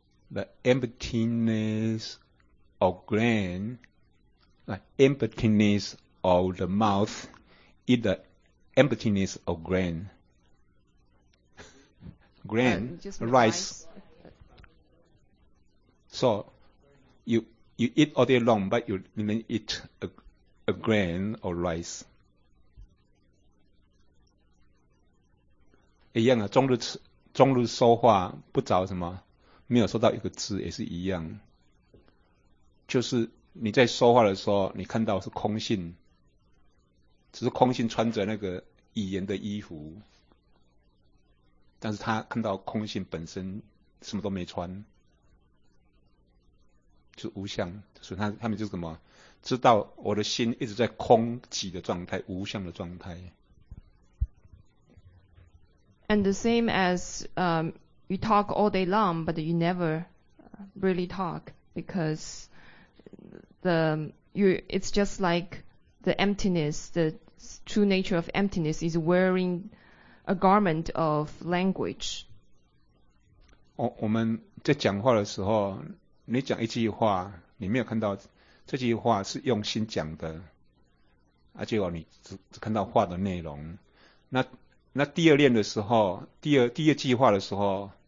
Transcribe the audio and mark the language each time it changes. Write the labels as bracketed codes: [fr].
[en] The emptiness of grain, the emptiness of the mouth, is the emptiness of grain. Grain, rice. So, you eat all day long, but you didn't eat a grain or rice. [zh] 一样啊，终日说话不着什么。没有收到一个字也是一样，就是你在说话的时候，你看到是空性，只是空性穿着那个语言的衣服，但是他看到空性本身什么都没穿，就无相。所以他们就是什么，知道我的心一直在空寂的状态，无相的状态。 [en] And the same as You talk all day long, but you never really talk because it's just like the emptiness, the true nature of emptiness is wearing a garment of language. [zh] 我们在讲话的时候，你讲一句话，你没有看到这句话是用心讲的，而且你只看到话的内容。那第二练的时候，第二句话的时候。